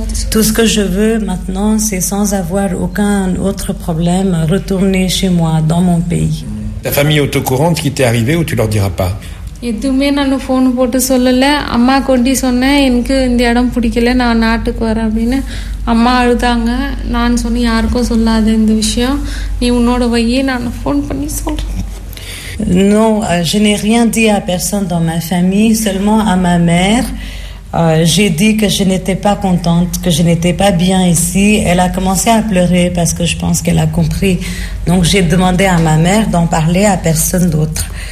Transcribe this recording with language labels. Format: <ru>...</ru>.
<fr>Tout ce que je veux maintenant, c'est sans avoir aucun autre problème, retourner chez moi, dans mon pays. Ta famille est au courant qui t'est arrivée ou tu leur diras pas ?</fr> <ta>எதுவுமே நான் phone போட்டு சொல்லலை. அம்மா கொண்டு சொன்னேன், எனக்கு இந்த இடம் பிடிக்கல, நான் நாட்டுக்கு வரேன் அப்படின்னு. அம்மா அழுதாங்க. நான் சொன்னேன், யாருக்கும் சொல்லாத இந்த விஷயம், நீ உன்னோட வையே, நான் ஃபோன் பண்ணி சொல்கிறேன்.</ta> <fr>Non, je n'ai rien dit à personne dans ma famille, seulement à ma mère. J'ai dit que je n'étais pas contente, que je n'étais pas bien ici. Elle a commencé à pleurer parce que je pense qu'elle a compris. Donc j'ai demandé à ma mère d'en parler à personne d'autre.</fr>